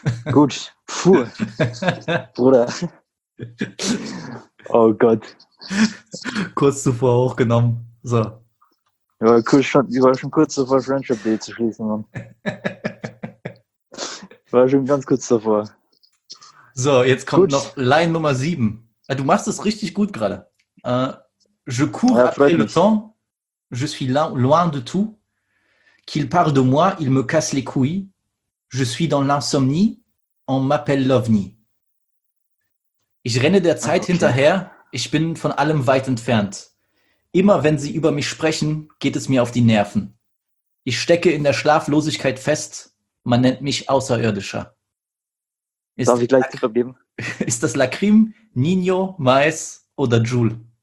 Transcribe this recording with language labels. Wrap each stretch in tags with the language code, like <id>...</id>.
<de>Gut. Puh. Bruder. Oh Gott. Kurz zuvor hochgenommen. So. Ich war schon kurz davor, Friendship Day zu schließen, Mann. War schon ganz kurz davor. So, jetzt kommt noch Line Nummer 7. Du machst es richtig gut gerade.</de> <fr>Je cours après le temps, je suis loin de tout. Qu'il parle de moi, il me casse les couilles. Je suis dans l'insomnie, on m'appelle l'OVNI.</fr> <de>Ich renne der Zeit hinterher, ich bin von allem weit entfernt. Immer wenn sie über mich sprechen, geht es mir auf die Nerven. Ich stecke in der Schlaflosigkeit fest, man nennt mich Außerirdischer. Darf ich gleich Tipp abgeben? Ist das Lacrim, Nino, Mais oder Jul?</de>